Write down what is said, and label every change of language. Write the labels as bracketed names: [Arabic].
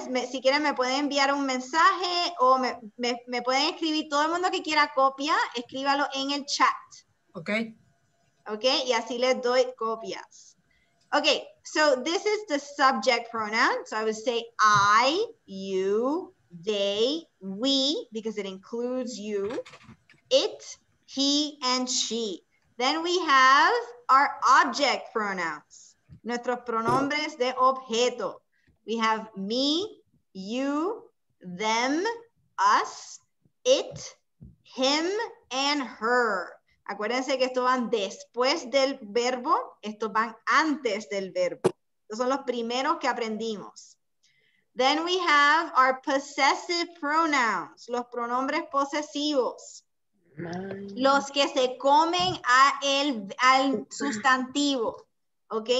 [Spanish] Si quieren me pueden enviar un mensaje o me pueden escribir, todo el mundo que quiera copia, escríbalo en el chat. Ok. Ok, y así les doy copias. [English] Ok, so this is the subject pronoun, so I would say I, you, they, we, because it includes you, it, he, and she. Then we have our object pronouns, [Spanish] nuestros pronombres de objeto. [English] We have me, you, them, us, it, him, and her. [Spanish] Acuérdense que esto van después del verbo, esto van antes del verbo. Estos son los primeros que aprendimos. [English] Then we have our possessive pronouns, los pronombres posesivos. [Spanish] Los que se comen a al sustantivo, ¿ok?